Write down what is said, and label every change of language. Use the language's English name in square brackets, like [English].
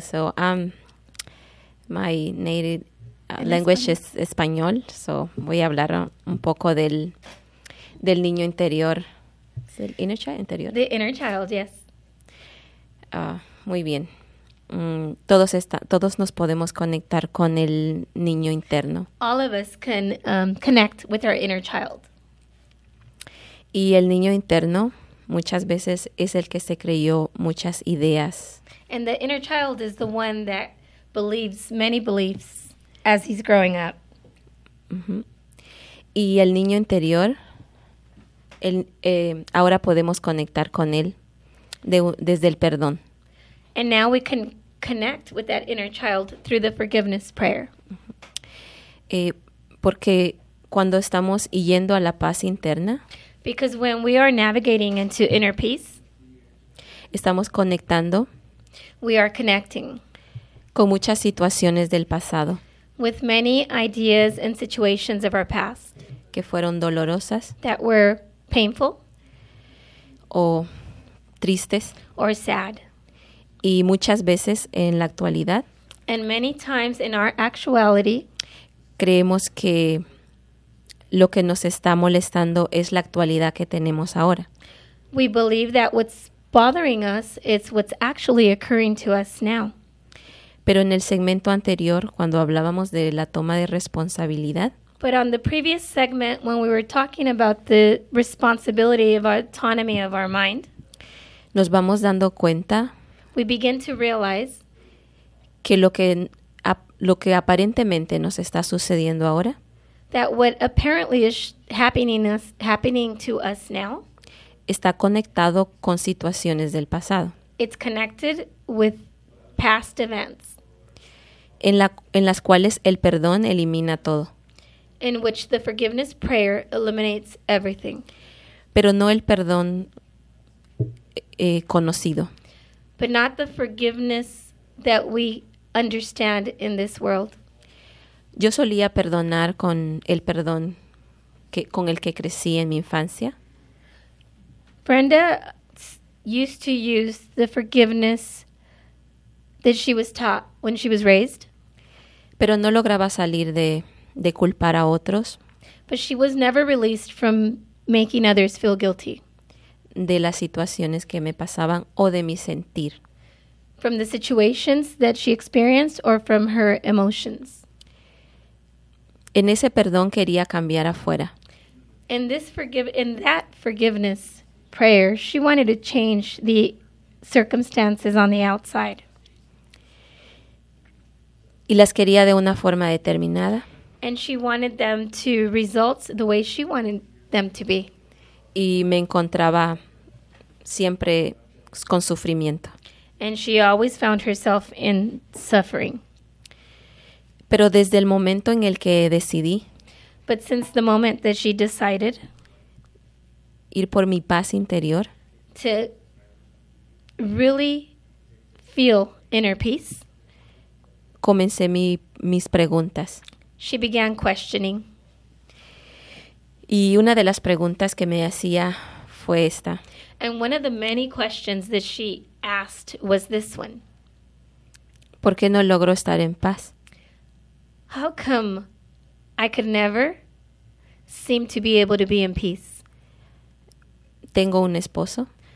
[English] So my native language is Español, so [Spanish] voy a hablar un poco del niño interior. ¿Es el [English] inner child [Spanish] interior? [English] The inner child, yes. [Spanish] Muy bien. Todos nos podemos conectar con el niño interno. [English] All of us can connect with our inner child. [Spanish] Y el niño interno muchas veces es el que se creyó muchas ideas. [English] And the inner child is the one that believes many beliefs as he's growing up. [Spanish] Mm-hmm. Y el niño interior... ahora podemos conectar con él desde el perdón. [English] And now we can connect with that inner child through the forgiveness prayer. [Spanish] Porque cuando estamos yendo a la paz interna, [English] because when we are navigating into inner peace, [Spanish] estamos conectando, [English] we are connecting [Spanish] con muchas situaciones del pasado, [English] with many ideas and situations of our past, [Spanish] que fueron dolorosas, [English] that were painful, [Spanish] o tristes, [English] or sad, [Spanish] y muchas veces en la actualidad, [English] and many times in our actuality, [Spanish] creemos que lo que nos está molestando es la actualidad que tenemos ahora. [English] We believe that what's bothering us is what's actually occurring to us now. [Spanish] Pero en el segmento anterior, cuando hablábamos de la toma de responsabilidad, [English] but on the previous segment, when we were talking about the responsibility of autonomy of our mind, [Spanish] nos vamos dando cuenta, [English] we begin to realize [Spanish] que lo que aparentemente nos está sucediendo ahora, [English] that what apparently is happening to us now, [Spanish] está conectado con situaciones del pasado. [English] It's connected with past events. [Spanish] En las cuales el perdón elimina todo. [English] In which the forgiveness prayer eliminates everything. [Spanish] Pero no el perdón conocido. [English] But not the forgiveness that we understand in this world. [Spanish] Yo solía perdonar con el perdón con el que crecí en mi infancia. [English] Brenda used to use the forgiveness that she was taught when she was raised. [Spanish] Pero no lograba salir de culpar a otros. [English] But she was never released from making others feel guilty. [Spanish] de las situaciones que me pasaban o de mi sentir. [English] From the situations that she experienced or from her emotions. [Spanish] En ese perdón quería cambiar afuera. [English] In that forgiveness prayer, she wanted to change the circumstances on the outside. [Spanish] Y las quería de una forma determinada. [English] And she wanted them to result the way she wanted them to be. [Spanish] Y me encontraba siempre con sufrimiento. [English] And she always found herself in suffering. [Spanish] Pero desde el momento en el que decidí. [English] But since the moment that she decided. [Spanish] Ir por mi paz interior. [English] To really feel inner peace. [Spanish] Comencé mis preguntas. [English] She began questioning. [Spanish] Y una de las preguntas que me hacía fue esta. [English] And one of the many questions that she asked was this one. [Spanish] ¿Por qué no logro estar en paz? [English] How come I could never seem to be able to be in peace? [Spanish] Tengo un esposo.